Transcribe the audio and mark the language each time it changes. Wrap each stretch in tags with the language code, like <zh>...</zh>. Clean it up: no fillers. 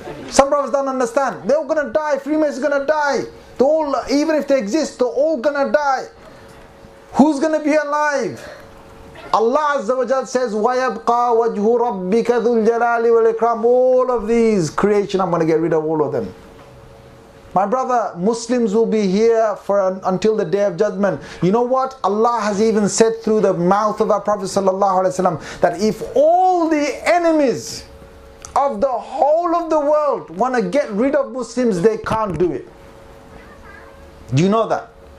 <en>Some brothers don't understand. They're all gonna die, Freemasons are gonna die. They're all, even if they exist, they're all gonna die. Who's gonna be alive? Allah Azza wa Jal says,</en> <ar>وَيَبْقَى وَجْهُ رَبِّكَ ذُو الْجَلَالِ وَالْإِكْرَامِ.</ar> <en>All of these creation, I'm gonna get rid of all of them. My brother, Muslims will be here until the Day of Judgment. You know what? Allah has even said through the mouth of our Prophet sallallahu alaihi wasallam that if all the enemies of the whole of the world want to get rid of Muslims, they can't do it. Do you know that?</en>